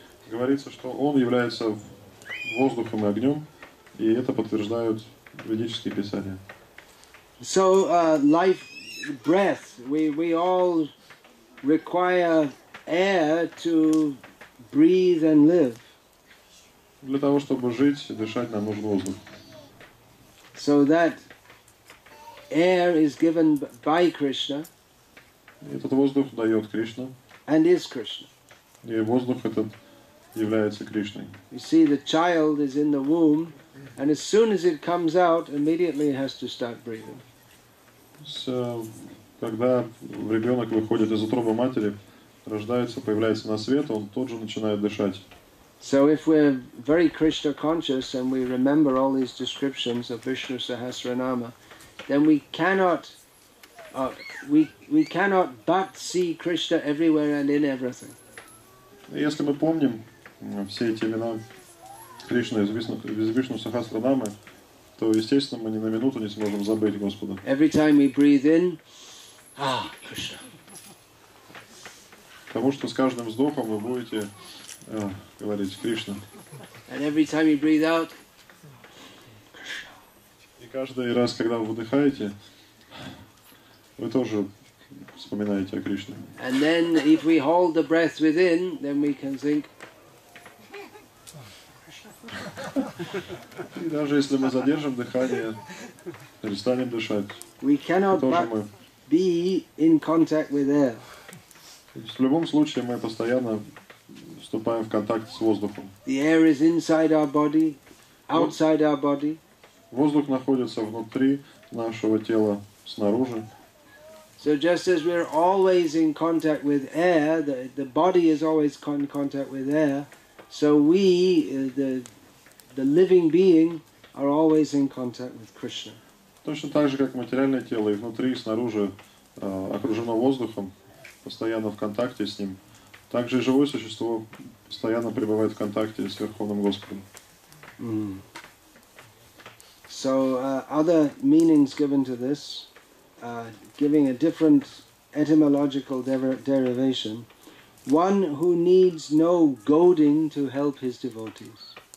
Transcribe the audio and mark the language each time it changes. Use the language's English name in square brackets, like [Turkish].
[Russian] Говорится, что он является воздухом и огнем, и это подтверждают ведические писания. [English] So, life, breath. We all require air to breathe and live. [Russian] Для того, чтобы жить, дышать, нам нужен воздух. [English] So that air is given by Krishna. [Russian] Этот воздух дает Кришна. [English] And is Krishna. [Russian] И воздух этот является Кришной. [English] You see, the child is in the womb, and as soon as it comes out, immediately it has to start breathing. [Russian] So, когда ребенок выходит из утробы матери, рождается, появляется на свет, он тот же начинает дышать. [English] So if we're very Krishna conscious and we remember all these descriptions of Vishnu Sahasranama, then we cannot but see Krishna everywhere and in everything. [Russian] Если мы помним все эти имена Кришны из Вишну Сахасранамы, то естественно мы ни на минуту не сможем забыть Господа. [English] Every time we breathe in, Krishna. [Russian] Потому что с каждым вздохом вы будете говорить Кришна. [English] And every time you breathe out, [Russian] и каждый раз, когда вы выдыхаете, вы тоже вспоминаете о Кришне. [English] And then if we hold the breath within, then we can think. [Russian] И даже если мы задержим дыхание, перестанем дышать. [English] We cannot be in contact with air. [Russian] В любом случае мы постоянно вступаем в контакт с воздухом. [English] The air is inside our body, outside our body. [Russian] Воздух находится внутри нашего тела, снаружи. [English] So just as we're always in contact with air, the body is always in contact with air, so we, the living being, are always in contact with Krishna. [Russian] Точно так же, как материальное тело и внутри, и снаружи окружено воздухом, постоянно в контакте с ним, так же и живое существо постоянно пребывает в контакте с Верховным Господом. Mm. [English] So other meanings given to this, giving a different etymological derivation, one who needs no goading to help his devotees.